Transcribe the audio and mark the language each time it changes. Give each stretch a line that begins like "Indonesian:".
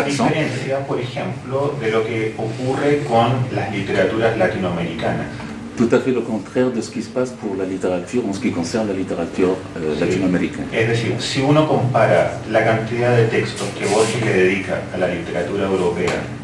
Spanish: A diferencia, por ejemplo, de lo que ocurre con las literaturas latinoamericanas.
French: Tout à fait le contraire de ce qui se passe pour la littérature en ce qui concerne la littérature latino-américaine.
Spanish: Es decir, si uno compara la cantidad de textos que Borges le dedica a la literatura europea.